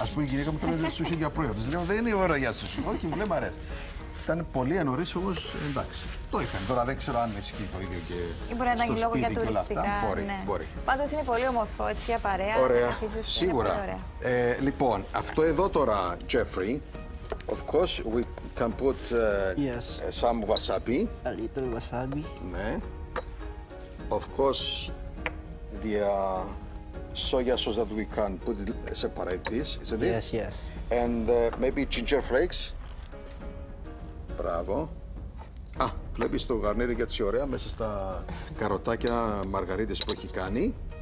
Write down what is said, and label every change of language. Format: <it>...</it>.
<el>Ας πούμε, η γυναίκα μου το λέει σούσι για πρόγευμα. Της λέω, δεν είναι η ώρα για σούσι. Όχι, μου λέει, μ' αρέσει. Ήταν πολύ ενωρίς, όμως, εντάξει. Το είχαν. Τώρα δεν ξέρω αν ισχύει το ίδιο και μπορεί στο σπίτι λόγω για και όλα αυτά. Ναι. Μπορεί, μπορεί. Πάντως είναι πολύ όμορφο, έτσι, για παρέα. Ωραία, σίγουρα. Ωραία. Λοιπόν, αυτό εδώ τώρα,</el> <en>Jeffrey, of course, we can put yes, some wasabi. A little wasabi.</en> <el>Ναι.</el> <en>Of course, the soya sauce that we can put it separate this, isn't it? Yes, yes. And maybe ginger flakes. Bravo.</en> <el>Α, βλέπεις το γαρνίρι έτσι ωραία μέσα στα καροτάκια μαργαρίτες που έχει κάνει.</el>